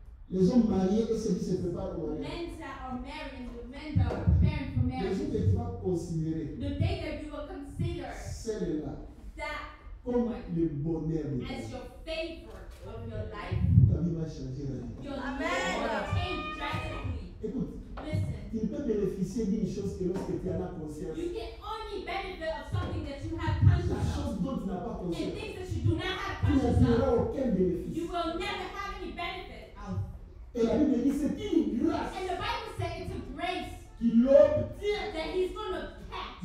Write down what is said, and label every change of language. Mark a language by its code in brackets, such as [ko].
[fr] Les hommes mariés et ceux qui se préparent pour rien. [en] Men that are married, the men that are preparing for marriage. [fr] Le jour que tu vas considérer. [en] The day that you will consider. [fr] Celle-là. [en] That. [fr] Comme le bonheur. [en] As your favorite of your life. [fr] Ta vie va changer la vie. [en] Your life will change drastically. [fr] Écoute. [en] Listen. [fr] Tu peux bénéficier d'une chose que lorsque tu en as conscience. [en] You can only benefit of something that you have conscience of. [fr] La chose dont tu n'as pas conscience. [en] And things that you do not have conscience of. [fr] Tu n'auras aucun bénéfice. [en] You will never have any benefit. [fr] Et la Bible dit c'est une grâce. [en] And the Bible says it's a grace. [fr] Qui l'obtient. [en] That he's going to catch.